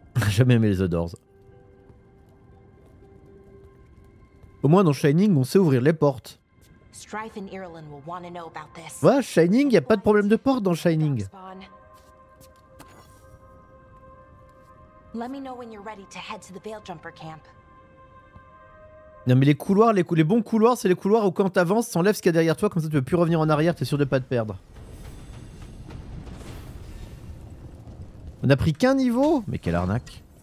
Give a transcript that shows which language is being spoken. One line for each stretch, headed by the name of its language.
French: Jamais aimé les The Doors. Au moins dans Shining, on sait ouvrir les portes.
English: Strife and Irulan will want to know about this.
French: Ouais, Shining, y a pas de problème de porte dans Shining.
English: Let me know when you're ready to head to the Veiljumper camp.
French: Non mais les couloirs, les bons couloirs, c'est les couloirs où quand t'avances, t'enlèves ce qu'il y a derrière toi, comme ça tu peux plus revenir en arrière, t'es sûr de pas te perdre. On a pris qu'un niveau ? Mais quelle arnaque.